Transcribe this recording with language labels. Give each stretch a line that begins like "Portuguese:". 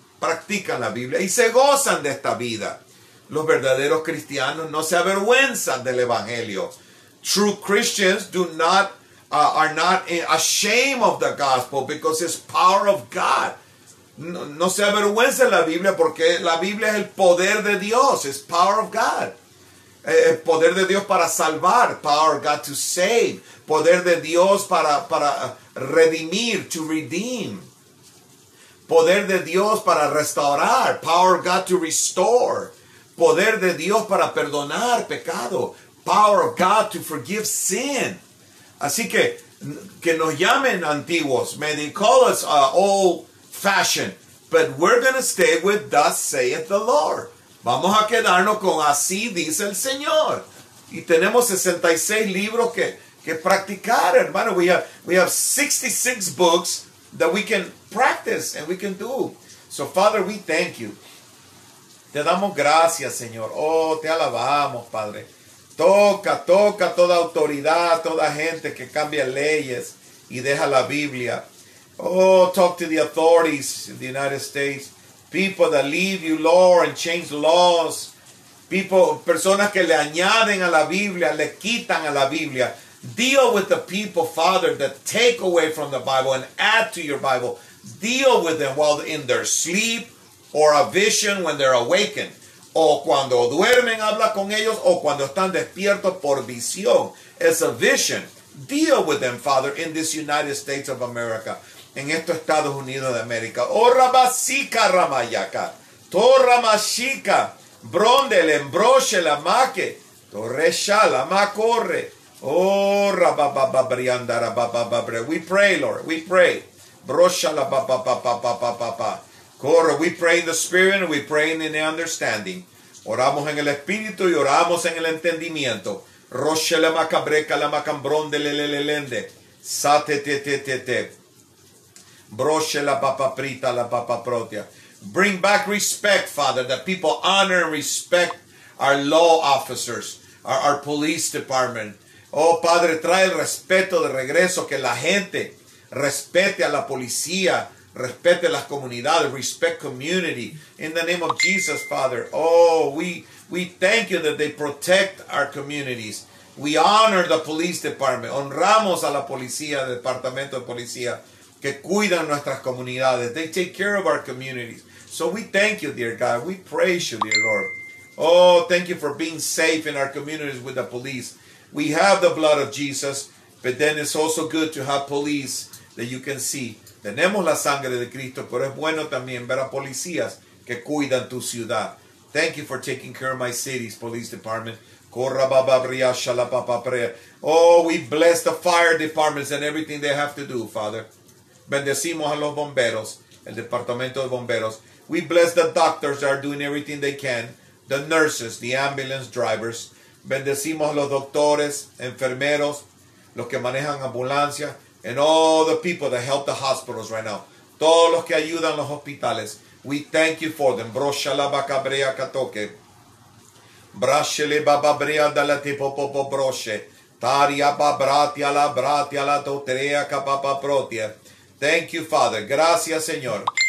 Spanish: Practican la Biblia y se gozan de esta vida. Los verdaderos cristianos no se avergüenzan del Evangelio.
English: True Christians do not are not ashamed of the gospel because it's power of God.
Spanish: No, no se avergüence la Biblia porque la Biblia es el poder de Dios.
English: It's power of God.
Spanish: El poder de Dios para salvar.
English: Power of God to save.
Spanish: Poder de Dios para redimir,
English: to redeem.
Spanish: Poder de Dios para restaurar.
English: Power of God to restore.
Spanish: Poder de Dios para perdonar pecado.
English: Power of God to forgive sin.
Spanish: Así que nos llamen antiguos.
English: May they call us old fashioned. But we're going to stay with thus saith the Lord.
Spanish: Vamos a quedarnos con así dice el Señor. Y tenemos 66 libros que practicar, hermano.
English: We have 66 books that we can practice and we can do. So, Father, we thank you.
Spanish: Te damos gracias, Señor. Oh, te alabamos, Padre. Toca toda autoridad, toda gente que cambia leyes y deja la Biblia.
English: Oh, talk to the authorities in the United States. People that leave you, Lord, and change laws.
Spanish: Personas que le añaden a la Biblia, le quitan a la Biblia.
English: Deal with the people, Father, that take away from the Bible and add to your Bible. Deal with them while in their sleep or a vision when they're awakened.
Spanish: O cuando duermen, habla con ellos, o cuando están despiertos por visión.
English: It's a vision. Deal with them, Father, in this United States of America.
Spanish: En estos Estados Unidos de América. O rabasika ramayaka. To ramashika. Brondele, embroche la maque. To reshala macorre. Oh, rabababriandarabababre.
English: We pray, Lord. We pray. Broshala babababababababa. We pray in the spirit and we pray in the understanding.
Spanish: Oramos en el espíritu y oramos en el entendimiento. Roche la macabreca la macambrón de lelelende. Sate te. Broche la papaprita la papaprotia.
English: Bring back respect, Father, that people honor and respect our law officers, our police department.
Spanish: Oh, Padre, trae el respeto de regreso, que la gente respete a la policía. Respete las comunidades,
English: respect community. In the name of Jesus, Father. Oh, we thank you that they protect our communities. We honor the police department.
Spanish: Honramos a la policía, el departamento de policía, que cuidan nuestras comunidades.
English: They take care of our communities. So we thank you, dear God. We praise you, dear Lord. Oh, thank you for being safe in our communities with the police. We have the blood of Jesus, but then it's also good to have police that you can see.
Spanish: Tenemos la sangre de Cristo, pero es bueno también ver a policías que cuidan tu ciudad.
English: Thank you for taking care of my city's police department. Corra baba bria shala papa prea. Oh, we bless the fire departments and everything they have to do, Father.
Spanish: Bendecimos a los bomberos, el departamento de bomberos.
English: We bless the doctors that are doing everything they can. The nurses, the ambulance drivers.
Spanish: Bendecimos a los doctores, enfermeros, los que manejan ambulancias.
English: And all the people that help the hospitals right now.
Spanish: Todos los que ayudan los hospitales.
English: We thank you for them. Broshala bacabrea katoke. Brashele bababrea dalate popopo broshe. Taria babratia la totrea kapapaprotia. Thank you, Father.
Spanish: Gracias, Señor.